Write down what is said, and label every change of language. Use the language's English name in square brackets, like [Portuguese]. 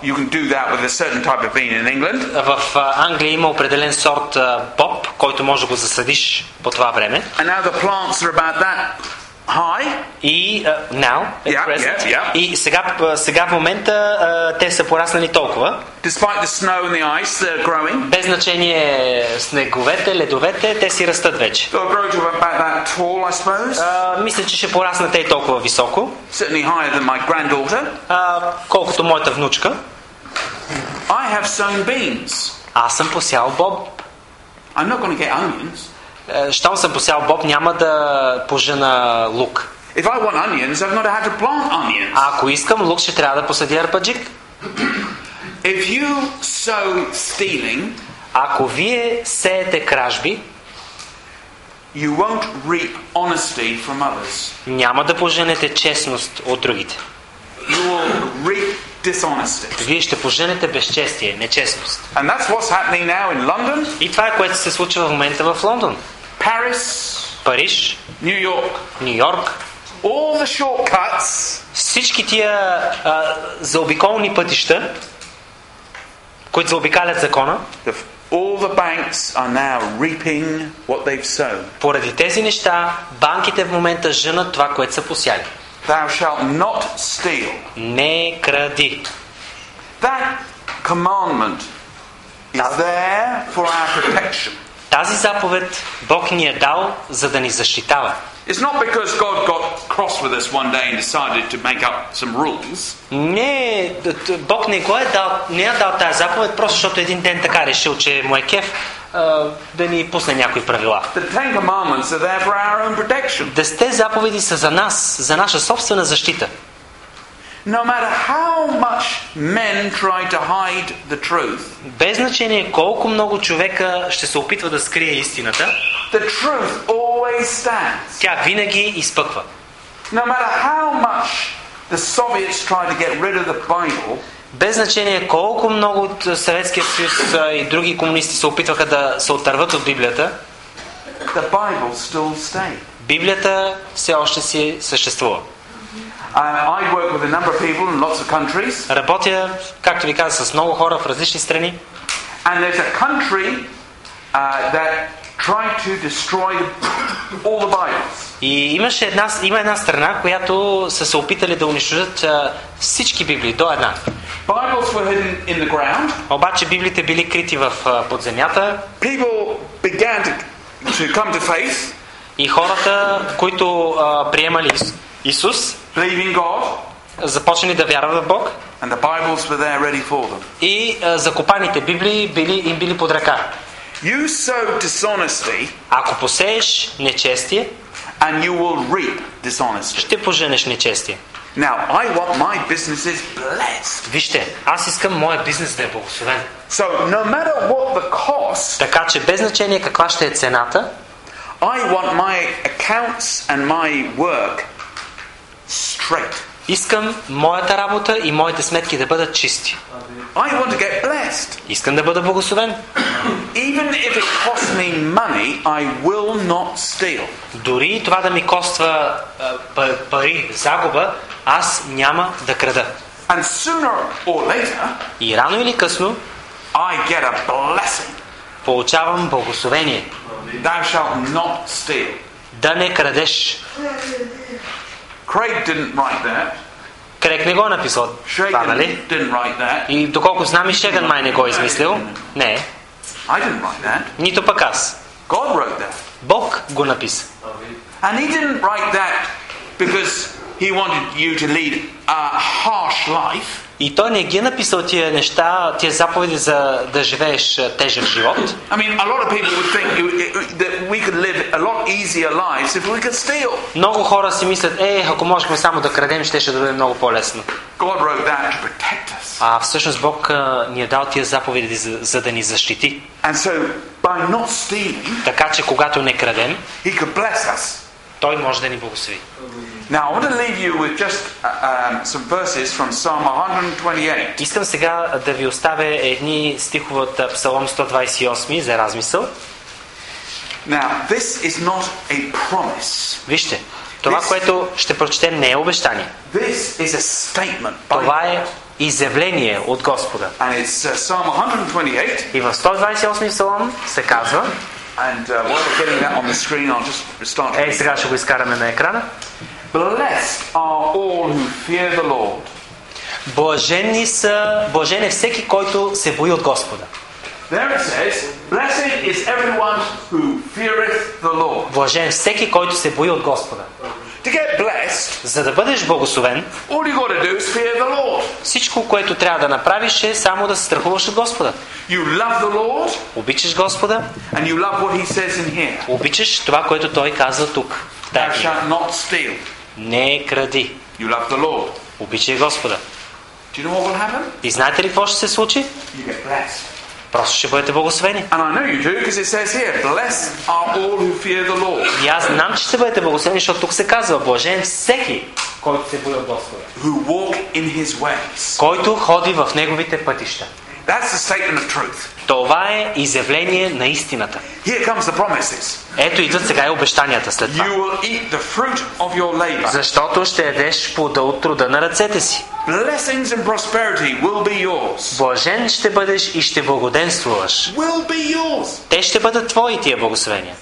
[English] You can do that with a certain type of bean in England. [Bulgarian] В Англия има определен сорт боб, който може да го засадиш по това време. [English] And now the plants are about that Hi. [Bulgarian] И [English] now. Yeah, present. Yeah, yeah. [Bulgarian] И сега в момента те са пораснали толкова. [English] Despite the snow and the ice, they're growing. [Bulgarian] Без значение снеговете, ледовете, те си растат вече. [English] They'll grow to about that tall, I suppose. [Bulgarian] Мисля, че ще пораснат те толкова високо. [English] Certainly higher than my granddaughter. [Bulgarian] Колкото моята внучка. [English] I have sown beans. [Bulgarian] Аз съм посял боб. [English] I'm not going to get onions. [Bulgarian] Щом съм посял боб, няма да пожена лук. [English] If I want onions, I've not had to plant onions. [Bulgarian] А ако искам лук, ще трябва да посадя арпаджик. [English] If you sow stealing, [Bulgarian] ако вие сеете кражби, [English] you won't reap honesty from others. [Bulgarian] Няма да поженете честност от другите. [English] You will reap dishonesty. [Bulgarian] Вие ще поженете безчестие, нечестност. [English] And that's what's happening now in London. [Bulgarian] И това е което се случва в момента в Лондон. [English] Paris, [Bulgarian] Париж, [English] New York, [Bulgarian] New York. [English] All the shortcuts. [Bulgarian] Всички тия заобиколни пътища, които заобикалят закона. [English] All the banks are now reaping what they've sown. [Bulgarian] Поради тези неща, банките в момента жънат това, което са посяли. [English] Thou shalt not steal. [Bulgarian] Не кради. [English] That commandment is there for our protection. [Bulgarian] Тази заповед Бог ни е дал, за да ни защитава. [English] It's not because God got cross with us one day and decided to make up some rules. [Bulgarian] Не, Бог не го е дал, не е дал тази заповед, просто защото един ден така решил, че му е кеф да ни пусне някои правила. [English] The Ten Commandments are there for our own protection. [Bulgarian] Десетте заповеди са за нас, за наша собствена защита. [English] No matter how much men try to hide the truth. [Bulgarian] Без значение колко много човека ще се опитва да скрие истината. [English] The truth always stands. [Bulgarian] Тя винаги изпъква. [English] No matter how much the Soviets try to get rid of the Bible. [Bulgarian] Без значение колко много от Съветския съюз и други комунисти се опитваха да се отърват от Библията. [English] The Bible still stays. [Bulgarian] Библията все още си съществува. [English] I work with a number of people in lots of countries. [Bulgarian] Работя, както ви казах, с много хора в различни страни. [English] And there's a country that tried to destroy all the Bibles. [Bulgarian] И има една страна, която са се опитали да унищожат всички библии до една. [English] Bibles were hidden in the ground. [Bulgarian] Обаче библиите били крити в подземята. [English] People began to come to faith. [Bulgarian] И хората, които приемали Исус, [English] believing God, [Bulgarian] започнали да вярват в Бог, [English] and the Bibles were there ready for them. [Bulgarian] И закопаните библии били под ръка. [English] You sow dishonesty, [Bulgarian] ако посееш нечестие, [English] and you will reap dishonesty. [Bulgarian] Ще поженеш нечестие. [English] Now, I want my businesses blessed. [Bulgarian] Вижте, аз искам моя бизнес да е благословен. [English] So, no matter what the cost, [Bulgarian] така че без значение каква ще е цената, [English] I want my accounts and my work straight. [Bulgarian] Искам моята работа и моите сметки да бъдат чисти. [English] I want to get blessed. [Bulgarian] Искам да бъда благословен. [English] Even if it costs me money, I will not steal. [Bulgarian] Дори това да ми коства пари, загуба, аз няма да крада. [English] And sooner or later, [Bulgarian] и рано или късно, [English] I get a blessing. [Bulgarian] Получавам благословение. [English] Thou shalt not steal. [Bulgarian] Да не крадеш. [English] Craig didn't write that. [Bulgarian] Крейг не го е написал. [English] Шейган didn't write that. [Bulgarian] И доколко знам, и Шейган май не го е измислил. Не. [English] I didn't write that. [Bulgarian] Нито пък аз. [English] God wrote that. [Bulgarian] Бог го написа. [English] And he didn't write that because he wanted you to lead a harsh life. [Bulgarian] И той не ги е написал тия неща, тия заповеди за да живееш тежък живот. [English] I mean, a lot of people would think that we could live a lot easier lives if we could steal. [Bulgarian] Много хора си мислят, ако можехме само да крадем, щеше да бъде много по-лесно. [English] God wrote that to protect us. [Bulgarian] А всъщност Бог ни е дал тия заповеди за да ни защити. [English] And so, by not stealing, [Bulgarian] така че когато не крадем, [English] he could bless us. [Bulgarian] Той може да ни благослови. [English] Now I want to leave you with just some verses from Psalm 128. [Bulgarian] Искам сега да ви оставя едни стихове от Псалом 128 за размисъл. [English] Now this is not a promise. [Bulgarian] Вижте, това [English] this, [Bulgarian] което ще прочетем, не е обещание. [English] This is a statement. [Bulgarian] Това е изявление от Господа. [English] And it's Psalm 128. [Bulgarian] И в 128 псалом се казва: [English] And while we're getting that on the screen, I'll just start. [Bulgarian] Ей, сега ще го изкараме на екрана. [English] Blessed are all who fear the Lord. [Bulgarian] Блажен е всеки, който се бои от Господа. [English] There it says, blessed is everyone who feareth the Lord. [Bulgarian] Блажен всеки, който се бои от Господа. [English] To get blessed, [Bulgarian] за да бъдеш благословен, [English] all you gotta do is fear the Lord. [Bulgarian] Всичко, което трябва да направиш, е само да се страхуваш от Господа. [English] You love the Lord, [Bulgarian] обичаш Господа, [English] and you love what he says in here. [Bulgarian] Обичаш това, което той казва тук. [English] Thou shalt not steal. [Bulgarian] Не кради. [English] You love the Lord. [Bulgarian] Обичай Господа. [English] Do you know what will happen? [Bulgarian] И знаете ли какво ще се случи? [English] You get blessed. [Bulgarian] Просто ще бъдете благословени. [English] And I know you do, because it says here, blessed are all who fear the Lord. [Bulgarian] И аз знам, че ще бъдете благословени, защото тук се казва, блажен всеки, който се бои от Господа. [English] Who walk in his ways. [Bulgarian] Който ходи в неговите пътища. [English] That's the statement of truth. [Bulgarian] Това е изявление на истината. [English] Here comes the promises. [Bulgarian] Ето идват сега и обещанията след това. [English] You will eat the fruit of your labor. [Bulgarian] Защото ще ядеш плода от труда на ръцете си. [English] Blessings and prosperity will be yours. [Bulgarian] Блажен ще бъдеш и ще благоденствуваш. [English] Will be yours. [Bulgarian] Те ще бъдат твои тия благословения.